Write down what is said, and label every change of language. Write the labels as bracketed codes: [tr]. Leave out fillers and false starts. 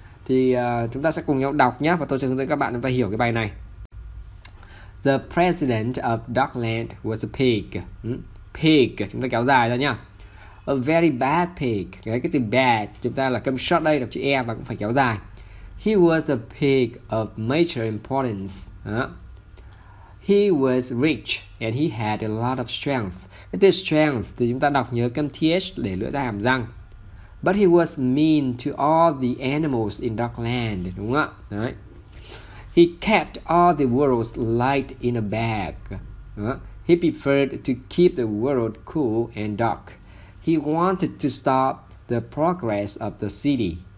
[vi] Thì chúng ta sẽ cùng nhau đọc nhé, và tôi sẽ hướng dẫn các bạn chúng ta hiểu cái bài này. [en] The president of Darkland was a pig. [vi] Pig, chúng ta kéo dài ra nhá. [en] A very bad pig. [vi] Cái từ bad, chúng ta là câm short đây, đọc chữ E và cũng phải kéo dài. [en] He was a pig of major importance. He was rich and he had a lot of strength. [vi] Cái từ strength thì chúng ta đọc nhớ câm TH để lưỡi ra hàm răng. [en] But he was mean to all the animals in Darkland, [vi] đúng không ạ? Đấy. [en] He kept all the world's light in a bag. He preferred to keep the world cool and dark. He wanted to stop the progress of the city.